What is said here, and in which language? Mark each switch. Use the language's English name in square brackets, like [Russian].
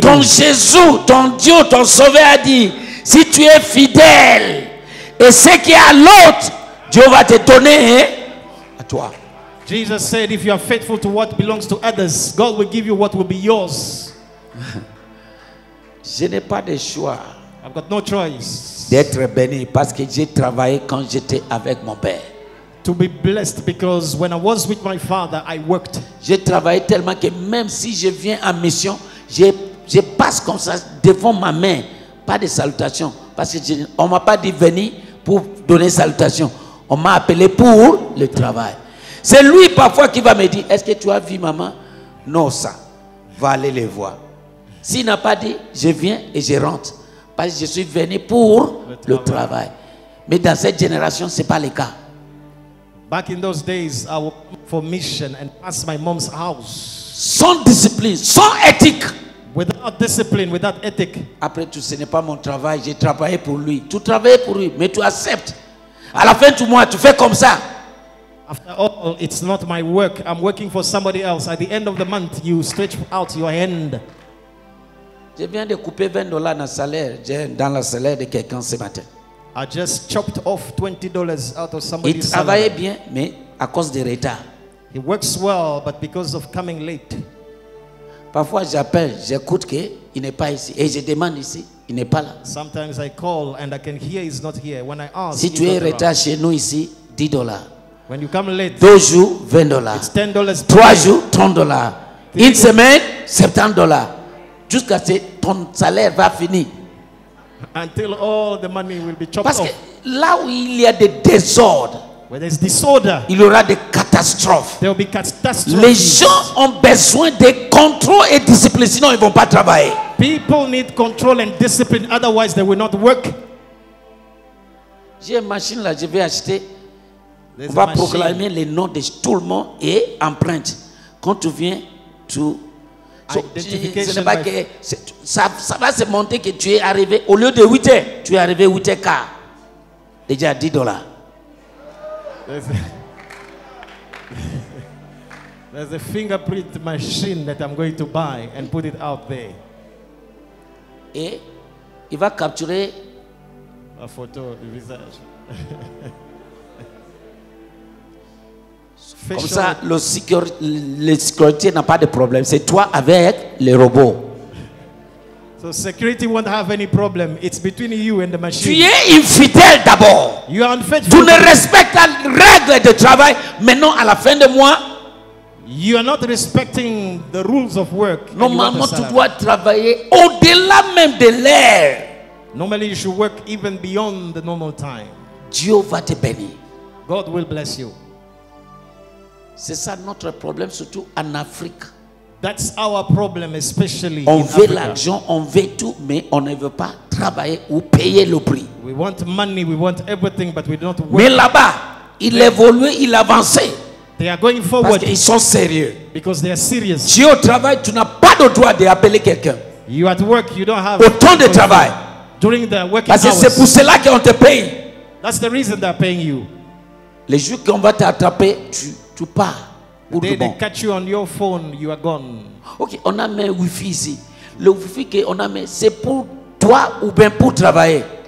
[French] Ton Jésus, ton Dieu, ton Sauveur a dit, si tu es fidèle, et ce qui est à l'autre, Dieu va te donner à toi. [English] Jesus said, if you are faithful to what belongs to others, God will give you what will be yours. [French] Je n'ai pas de choix. [English] I've got no choice. [French] D'être béni parce que j'ai travaillé quand j'étais avec mon père. [English] To be blessed because when I was with my father, I worked. [French] J'ai travaillé tellement que même si je viens en mission, je passe comme ça devant ma main, pas de salutation, parce que on m'a pas dit venir pour donner salutation. On m'a appelé pour le travail. C'est lui parfois qui va me dire, est-ce que tu as vu maman? Non, ça. Va aller les voir. S'il n'a pas dit, je viens et je rentre. Parce que je suis venu pour le travail. Mais dans cette génération, ce n'est pas le cas. [English] Back in those days, I would go for mission and pass my mom's house. [French] Sans discipline, sans éthique. [English] Without discipline, without ethic. [French] Après tout, ce n'est pas mon travail. J'ai travaillé pour lui. Tu travailles pour lui, mais tu acceptes. À la fin du mois, tu fais comme ça. [English] After all, it's not my work. I'm working for somebody else. At the end of the month, you stretch out your hand. [French] Je viens de couper $20 dans le salaire, de quelqu'un ce matin. [English] I just chopped off $20 out of somebody's salary. [French] Il travaillait bien, mais à cause du retard. [English] He works well, but because of coming late. [French] Parfois, j'appelle, j'écoute que il n'est pas ici, et je demande ici, il n'est pas là. [English] Sometimes I call and I can hear he's not here. When I ask, [French] si tu es retard chez nous ici, $10. [English] When you come late, [French] $2, $20. [English] It's $10. [French] $3, $30. Une semaine, $70. Jusqu'à ce que ton salaire va finir. [English] Until all the money will be chopped off. [French] Parce que là où il y a des désordres, [English] where there's disorder, [French] il y aura des catastrophes. [English] There will be catastrophes. [French] Les gens ont besoin de contrôle et discipline, sinon ils ne vont pas travailler. [English] People need control and discipline, otherwise they will not work. [French] J'ai une machine là, je vais acheter. On va proclamer les noms de tout le monde et empreinte. Quand tu viens, tu... [English] So, [French] ce n'est pas que, ça va se monter que tu es arrivé, au lieu de 8 heures, tu es arrivé 8 heures car. Déjà $10. [English] There's a fingerprint machine that I'm going to buy and put it out there. [French] Et il va capturer la photo du visage. Comme ça, le sécurité n'a pas de problème. C'est toi avec les robots. [English] So security won't have any problem. It's between you and the machine. [French] Tu es infidèle d'abord. [English] You are unfaithful. [French] Tu ne respectes pas les règles de travail. Maintenant, à la fin de mois, [English] you are not respecting the rules of work. [French] Normalement, tu dois travailler au-delà même de l'heure. [English] Normally, you should work even beyond the normal time. [French] Dieu va te bénir. [English] God will bless you. [French] C'est ça notre problème, surtout en Afrique. [English] That's our problem, especially on in [French] veut [English] Africa. [French] L'argent, on veut tout, mais on ne veut pas travailler ou payer le prix. [English] We want money, we want everything, but we don't work. [French] Mais là-bas, il évolue, il avance. [English] They are going forward. [French] Parce qu'ils sont sérieux. [English] Because they are serious. [French] Tu es au travail, tu n'as pas le droit d'appeler quelqu'un. [English] You at work, you don't have [French] au temps de travail. [English] During the working [French] parce que [English] hours. [French] C'est pour cela qu'on te paye. [English] That's the reason they are paying you. [French] Les jours qu'on va t'attraper, tu pars. [English] They catch you on your phone, you are gone. [French] Ok, on a mis wifi ici. Le wifi qu'on a mis, c'est pour toi ou bien pour travailler.